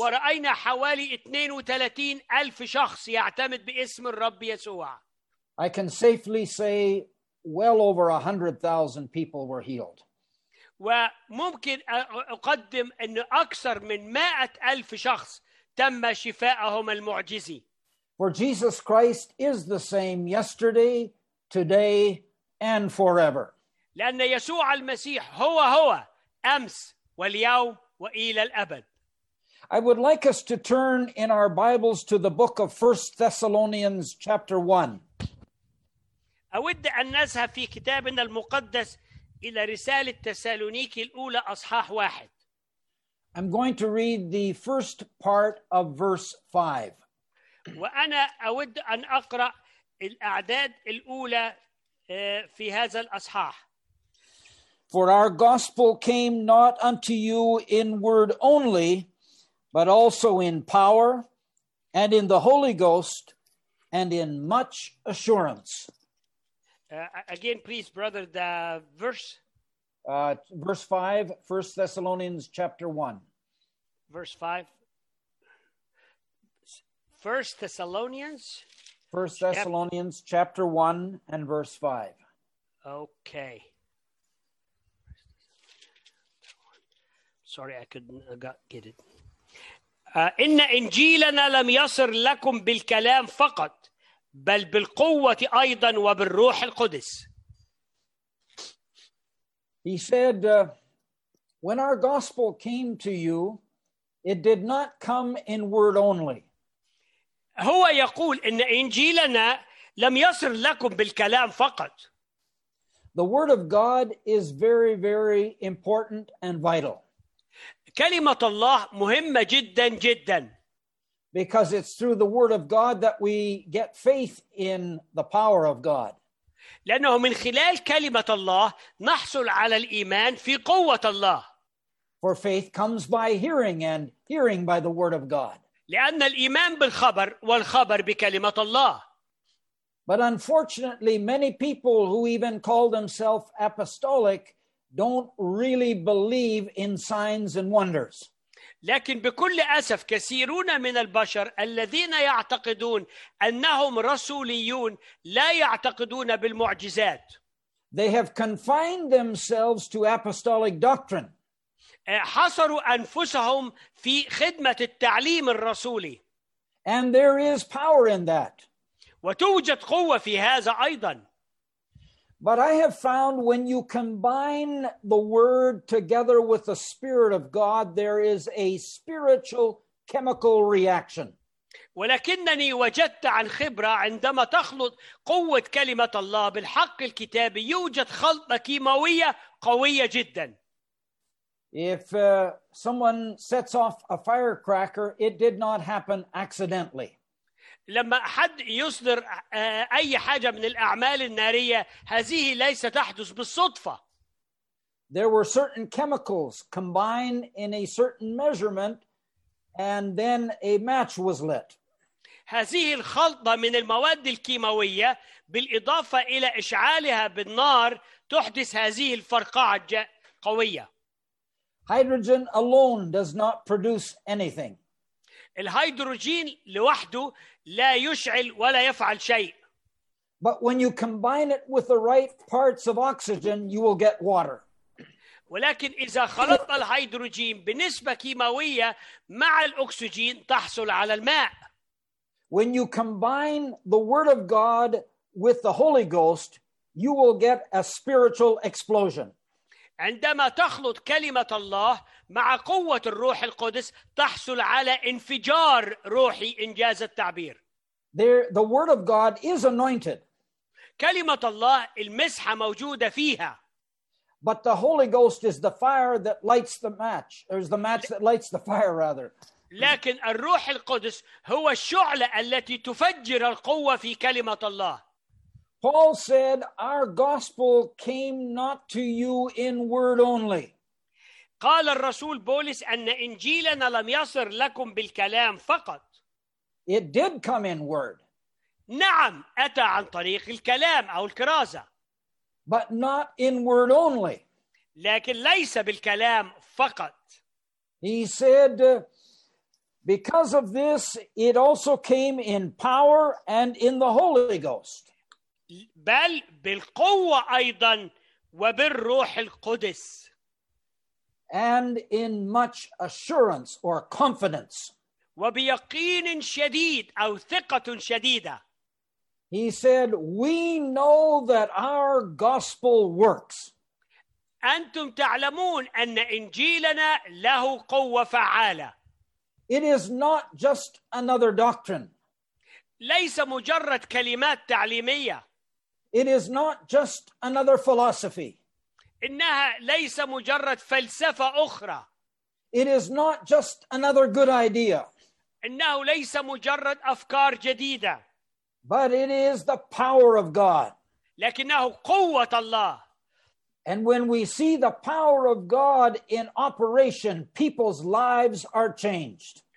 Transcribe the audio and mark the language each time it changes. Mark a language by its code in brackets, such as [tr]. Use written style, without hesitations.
[ar] ورأينا حوالي 32,000 شخص يعتمد باسم الرب يسوع. [en] I can safely say well over 100,000 people were healed. [ar] وممكن أقدم أن أكثر من 100,000 شخص تم شفائهم المعجزي. [en] For Jesus Christ is the same yesterday, today, and forever. [ar] لأن يسوع المسيح هو أمس واليوم وإلى الأبد. [en] I would like us to turn in our Bibles to the book of 1 Thessalonians chapter 1. [ar] أود أن نذهب في كتابنا المقدس إلى رسالة تسالونيكي الأولى أصحاح 1. [en] I'm going to read the first part of verse 5. [ar] وأنا أود أن أقرأ الأعداد الأولى في هذا الأصحاح. [en] For our gospel came not unto you in word only, but also in power, and in the Holy Ghost, and in much assurance. Again, please, brother, the verse. Verse 5, 1 Thessalonians chapter 1. Verse 5. 1 Thessalonians. 1 Thessalonians chapter 1 and verse 5. Okay. Sorry, I couldn't get it. [ar] إن إنجيلنا لم يصر لكم بالكلام فقط بل بالقوة أيضا وبالروح القدس. [en] He said, when our gospel came to you, it did not come in word only. [ar] هو يقول إن إنجيلنا لم يصل لكم بالكلام فقط. [en] The word of God is very, very important and vital. [ar] كلمة الله مهمة جدا جدا. [en] Because it's through the word of God that we get faith in the power of God. [ar] لأنه من خلال كلمة الله نحصل على الإيمان في قوة الله. [en] For faith comes by hearing, and hearing by the word of God. [ar] لأن الإيمان بالخبر والخبر بكلمة الله. [en] But unfortunately, many people who even call themselves apostolic don't really believe in signs and wonders. [ar] لكن بكل أسف كثيرون من البشر الذين يعتقدون أنهم رسوليون لا يعتقدون بالمعجزات. [en] They have confined themselves to apostolic doctrine. [ar] حصروا أنفسهم في خدمة التعليم الرسولي. [en] And there is power in that. [ar] وتوجد قوة في هذا أيضا. [en] But I have found when you combine the word together with the spirit of God, there is a spiritual chemical reaction. [ar] ولكنني وجدت عن خبرة عندما تخلط قوة كلمة الله بالحق الكتابي يوجد خلطة كيماوية قوية جدا. [en] If someone sets off a firecracker, it did not happen accidentally. [ar] لما أحد يصدر أي حاجة من الأعمال النارية هذه ليست تحدث بالصدفة. [en] There were certain chemicals combined in a certain measurement and then a match was lit. [ar] هذه الخلطة من المواد الكيماوية بالإضافة إلى إشعالها بالنار تحدث هذه الفرقعة قوية. [en] Hydrogen alone does not produce anything. [ar] الهيدروجين لوحده لا يشعل ولا يفعل شيء. [en] But when you combine it with the right parts of oxygen, you will get water. [ar] ولكن إذا خلط الهيدروجين بنسبة كيماوية مع الأكسجين تحصل على الماء. [en] When you combine the Word of God with the Holy Ghost, you will get a spiritual explosion. [ar] عندما تخلط كلمة الله مع قوة الروح القدس تحصل على انفجار روحي إنجاز التعبير. [en] There, the word of God is anointed. [ar] كلمة الله المسحة موجودة فيها. [en] But the Holy Ghost is the fire that lights the match. Or is the match that lights the fire rather. [ar] لكن الروح القدس هو الشعلة التي تفجر القوة في كلمة الله. [en] Paul said, "Our gospel came not to you in word only." [ar] قال الرسول بولس أن إنجيلنا لم يصر لكم بالكلام فقط. [en] It did come in word. [ar] نعم أتى عن طريق الكلام أو الكرازة. [en] But not in word only. [ar] لكن ليس بالكلام فقط. [en] He said, "Because of this, it also came in power and in the Holy Ghost." [ar] بل بالقوة أيضا وبالروح القدس. [en] And in much assurance or confidence. [ar] وبيقين شديد أو ثقة شديدة. [en] He said, "We know that our gospel works." [ar] أنتم تعلمون أن إنجيلنا له قوة فعالة. [en] It is not just another doctrine. [ar] ليس مجرد كلمات تعليمية. [en] It is not just another philosophy. [ar] إنها ليس مجرد فلسفة أخرى. [en] It is not just another good idea. [ar] إنه ليس مجرد أفكار جديدة. [en] But it is the power of God. [ar] لكنه قوة الله. [en] And when we see the power of God in operation, people's lives are changed.